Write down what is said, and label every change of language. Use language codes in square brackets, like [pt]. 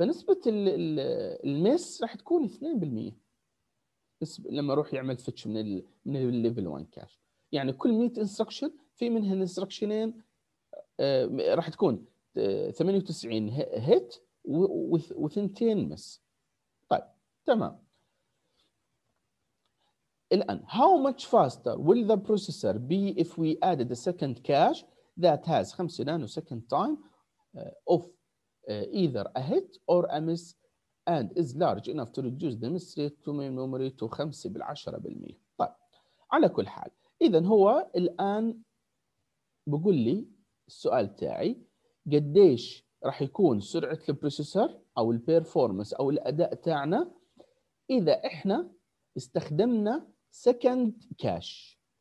[ar] فنسبة المس راح تكون 2% لما يروح يعمل فتش من من الليفل 1 كاش. يعني كل 100 انستركشن في منها انستركشنين راح تكون 98 هيت وثنتين مس. طيب تمام. [en] الآن how much faster will the processor be if we added a second cache that has 5 nanosecond time of either a hit or a miss and is large enough to reduce the miss rate to main memory to 5%. [ar] طيب على كل حال إذا هو الآن بقول لي السؤال تاعي قديش راح يكون سرعة البروسيسور أو البيرفورمس أو الأداء تاعنا إذا إحنا استخدمنا second cache.